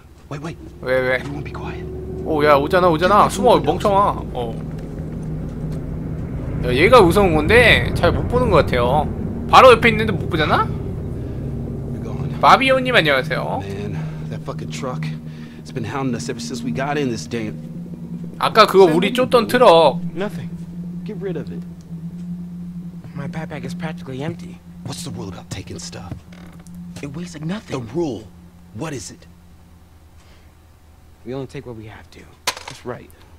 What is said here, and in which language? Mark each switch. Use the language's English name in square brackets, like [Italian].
[English] Wait, wait. [Korean] 왜, 왜? [English] Everyone be quiet. [Korean] 오, 야, 오잖아, 오잖아. 숨어, 멍청아. 어. 야, 얘가 우선 건데 잘 못 보는 것 같아요. 바로 옆에 있는데 못 보잖아? 바비오님 안녕하세요. [English] Man, that fucking truck. It's been hounding us ever since we got in this damn. [Korean] 아까 그거 우리 쫓던 트럭. [English] Nothing. Get rid of it. My backpack is practically empty. What's the rule about taking stuff? It weighs like nothing. The rule What is it? We only take what we have to. That's right.